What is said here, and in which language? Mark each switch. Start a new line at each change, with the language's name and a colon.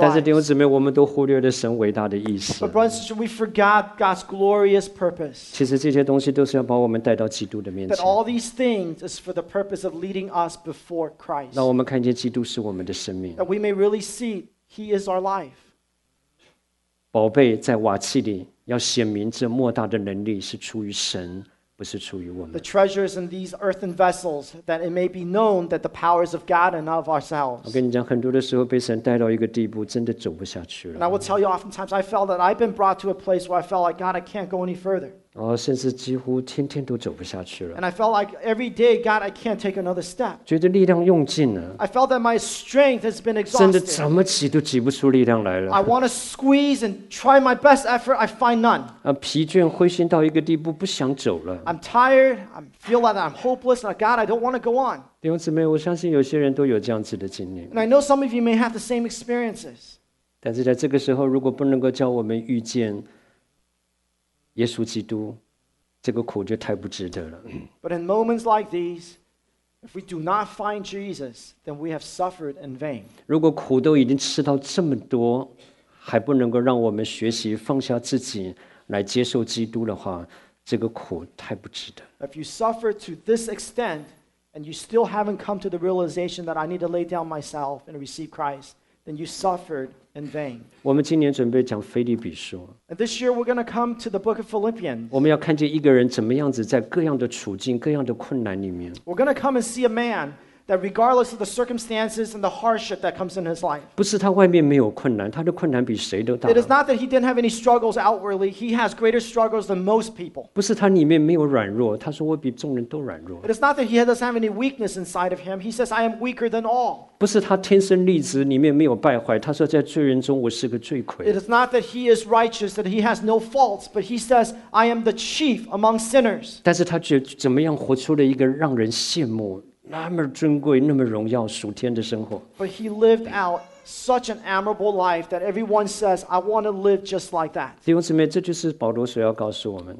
Chinese: 但是弟兄姊妹我们都忽略了神伟大的意思
English: But brothers and sisters we forgot God's glorious purpose
Chinese: 其实这些东西都是要把我们带到基督的面前
English: But all these things is for the purpose of leading us beforeChrist,
Chinese: 让我们看见基督是我们的生命。
English: That we may really see He is our life.
Chinese: 宝贝在瓦器里，要显明这莫大的能力是出于神，不是出于我们。
English: The treasures in these earthen vessels, that it may be known that the powers of God and of ourselves.
Chinese: 我跟你讲，很多的时候被神带到一个地步，真的走不下去了。
English: And I will tell you, oftentimes I felt that I've been brought to a place where I felt like God, I can't go any further.
Chinese: 甚至几乎天天都走不下去了。
English: And I felt like every day, God, I can't take another step.
Chinese: 觉得力量用尽了。
English: I felt that my strength has been exhausted.
Chinese: 真的怎么挤都挤不出力量来了。
English: I want to squeeze and try my best effort, I find none.
Chinese: 疲倦灰心到一个地步，不想走了。
English: I'm tired, I feel like I'm hopeless, like God, I don't want to go on.
Chinese: 弟兄姊妹，我相信有些人都有这样子的经历。
English: And I know some of you may have the same experiences.
Chinese: 但是在这个时候，如果不能够叫我们遇见耶稣基督，这个苦就太不值得了。
English: But in moments like these, if we do not find Jesus, then we have suffered in vain.
Chinese: 如果苦都已经吃到这么多，还不能够让我们学习放下自己来接受基督的话，这个苦太不值得。
English: If you suffer to this extent, and you still haven't come to the realization that I need to lay down myself and receive Christ, then you suffered. In vain.
Chinese: 我们今年准备讲腓立比书。
English: And this year we're going to come to the book of Philippians.
Chinese: 我们要看见一个人怎么样子在各样的处境、各样的困难里面。
English: We're going to come and see a man that regardless of the circumstances and the hardship that comes in his life.
Chinese: 不是他外面没有困难，他的困难比谁都大。
English: It is not that he didn't have any struggles outwardly. He has greater struggles than most people.
Chinese: 不是他里面没有软弱，他说我比众人都软弱。
English: It is not that he doesn't have any weakness inside of him. He says, I am weaker than all.
Chinese: 不是他天生丽质，里面没有败坏，他说在罪人中我是个罪魁。
English: It is not that he is righteous, that he has no faults, but he says, I am the chief among sinners.
Chinese: 但是他却怎么样活出了一个让人羡慕那么尊贵那么荣耀属天的生活。
English: But he lived out such an admirable life that everyone says, I want to live just like that.
Chinese: 弟兄姊妹，这就是保罗所要告诉我们。